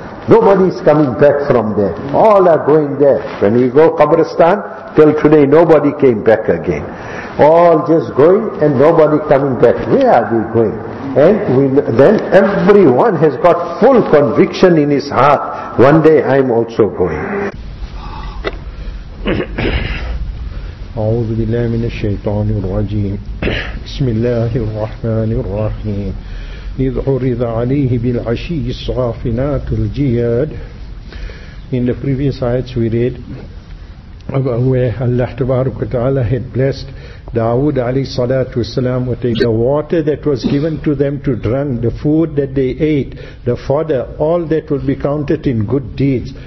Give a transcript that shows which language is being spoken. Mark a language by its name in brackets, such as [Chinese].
[English] Nobody is coming back from there. All are going there. When you go Qabristan, till today nobody came back again. All just going and nobody coming back. Where are they going? And then everyone has got full conviction in his heart. One day I'm also going. [Arabic] أعوذ بالله من الشيطان الرجيم بسم الله الرحمن الرحيم إذ عرض عليه بالعشي الصافنات الجياد. [English] In the previous ayats we read about where Allah Tabaraka Ta'ala had blessed Dawood alayhi salatu wasalam with the water that was given to them to drink, the food that they ate, the fodder, all that will be counted in good deeds.